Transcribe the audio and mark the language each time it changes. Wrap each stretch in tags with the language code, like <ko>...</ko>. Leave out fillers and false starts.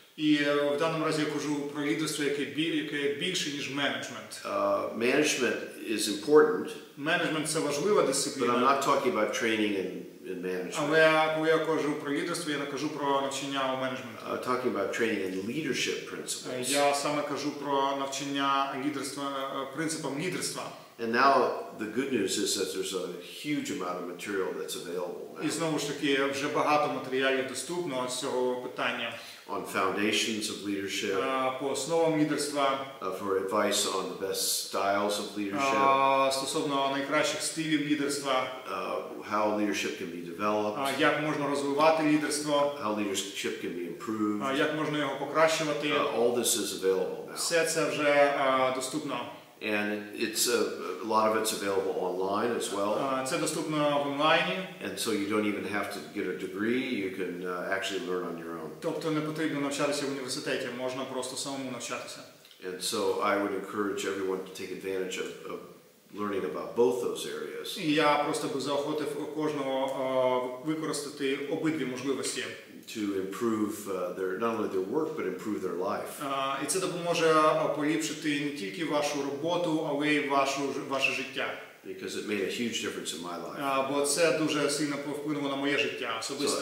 <uk>І в даному разі я кажу про лідерство, яке більше, ніж менеджмент.</uk> <en>Management is important.</en> <uk>Менеджмент – це важлива дисципліна.</uk> <en>But I'm not talking about training in management.</en> <uk>Але коли я кажу про лідерство, я не кажу про навчання у менеджменті.</uk> <en>I'm talking about training in leadership principles.</en> <uk>Я саме кажу про навчання лідерства, принципам лідерства.</uk> <en>And now the good news is that there's a huge amount of material that's available.</en> <uk>І знову ж таки, вже багато матеріалів доступно з цього питання.</uk> <en>On foundations of leadership.</en> <uk>По основам лідерства.</uk> <en>For advice on the best styles of leadership.</en> <uk>Стосовно найкращих стилів лідерства.</uk> <en>How leadership can be developed.</en> <uk>Як можна розвивати лідерство.</uk> <en>How leadership can be improved.</en> <uk>Як можна його покращувати.</uk> <en>All this is available now.</en> <uk>Все це вже доступно.</uk> <en>And it's a lot of it's available online as well.</en> <uk>Це доступно в онлайні.</uk> <en>And so you don't even have to get a degree, you can actually learn on your own.</en> <uk>Тобто не потрібно навчатися в університеті, можна просто самому навчатися.</uk> <en>And so I would encourage everyone to take advantage of learning about both those areas.</en> <uk>І я просто би заохотив кожного використати обидві можливості.</uk> <en>To improve their not only their work but improve their life.</en> <uk>І це допоможе поліпшити не тільки вашу роботу, але й ваше життя.</uk> <en>Because it made a huge difference in my life.</en> <uk>Бо це дуже сильно вплинуло на моє життя особисто.</uk>